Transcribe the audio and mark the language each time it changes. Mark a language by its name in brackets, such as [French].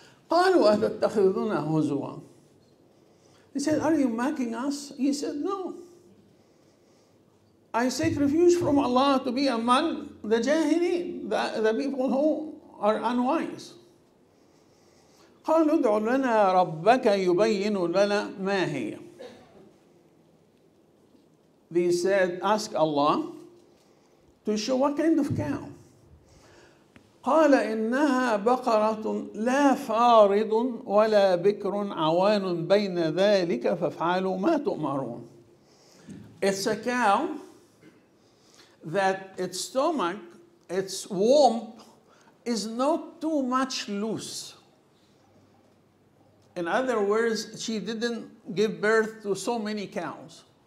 [Arabic] قَالُوا أَتَتَّخِذُونَ هُزُوًا. [English] He said, are you mocking us? He said, no. I seek refuge from Allah to be among the jahili, the people who are unwise. [Arabic] قالوا ادع لنا ربك يبين لنا ما هي. [English] They said, ask Allah to show what kind of cow. [Arabic] قال إنها بقرة لا فارض ولا بكر عوان بين ذلك فافعلوا ما تؤمرون. [English] It's a cow that its stomach, its womb is not too much loose. In other words, she didn't give birth to so many cows.